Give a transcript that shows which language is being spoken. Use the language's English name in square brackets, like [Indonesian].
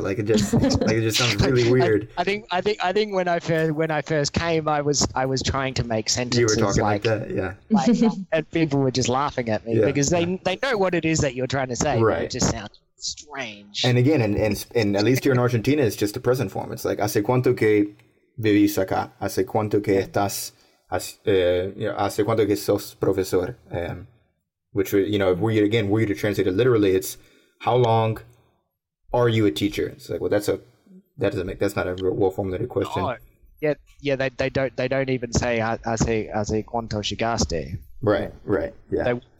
[English] Like it just sounds really weird. I think when I first came, I was trying to make sentences. You were talking like that, yeah. Like, and people were just laughing at me, yeah, because they know what it is that you're trying to say, right? But it just sounds strange. And again, and at least here in Argentina, it's just the present form. [Spanish] It's like, ¿hace cuánto que vivís acá? ¿Hace cuánto que estás? ¿Hace cuánto que sos profesor? [English] Which, you know, were you to translate it literally, it's how long are you a teacher? It's like, well, that's not a well formulated question. Oh, yeah, they don't even say [Spanish] hace cuánto llegaste. [English] Right, right, yeah.